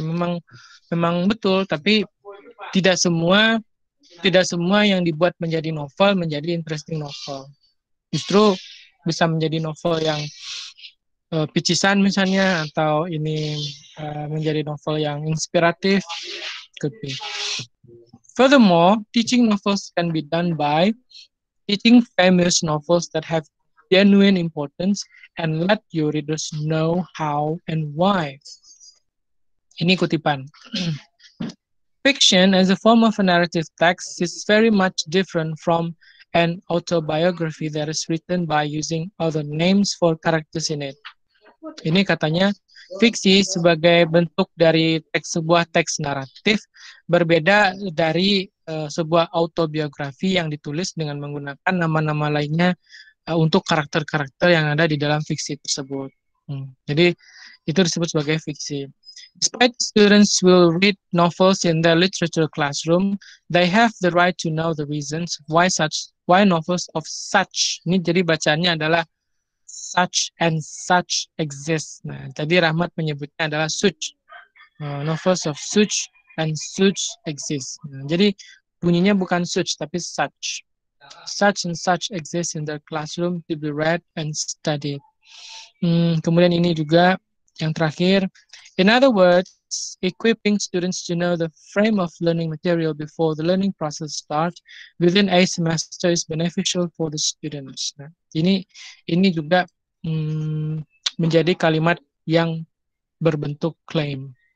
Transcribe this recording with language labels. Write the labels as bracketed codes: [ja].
[id] Ya memang betul, tapi tidak semua yang dibuat menjadi novel menjadi [en] interesting novel. [id] Justru bisa menjadi novel yang picisan misalnya, atau ini menjadi novel yang inspiratif. [en] Could be. Furthermore, teaching novels can be done by teaching famous novels that have genuine importance and let your readers know how and why. [id] Ini kutipan. [en] Fiction as a form of a narrative text is very much different from an autobiography that is written by using other names for characters in it. [id] Ini katanya fiksi sebagai bentuk dari sebuah teks naratif berbeda dari sebuah autobiografi yang ditulis dengan menggunakan nama-nama lainnya untuk karakter-karakter yang ada di dalam fiksi tersebut. Jadi itu disebut sebagai fiksi. [en] Despite students will read novels in their literature classroom, they have the right to know the reasons why novels of such. [id] Ini jadi bacaannya adalah [en] such and such exist. [id] Nah, jadi Rahmat menyebutnya adalah such. [en] Novels of such and such exist. Nah, [id] jadi bunyinya bukan such tapi such. [en] Such and such exist in the classroom to be read and studied. [id] Kemudian ini juga yang terakhir. [en] In other words, equipping students to know the frame of learning material before the learning process starts within a semester is beneficial for the students. [id] Nah, ini juga menjadi kalimat yang berbentuk claim.